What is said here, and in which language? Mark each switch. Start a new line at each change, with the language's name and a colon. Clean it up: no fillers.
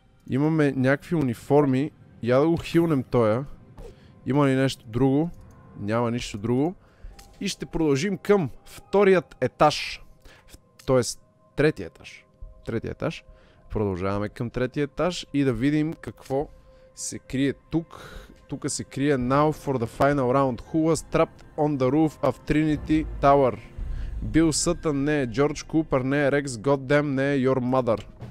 Bulgarian: Имаме някакви униформи. Я да го хилнем тоя. Има ли нещо друго? Няма нищо друго. И ще продължим към вторият етаж. Тоест, третия етаж. Третия етаж. Продължаваме към третия етаж и да видим какво се крие тук. Тук се крие
English: now for the final round. Who was trapped on the roof of Trinity Tower?
Bulgarian: Бил Сътън, не е Джордж Купър, не е Рекс Годдем, не е Your Mother.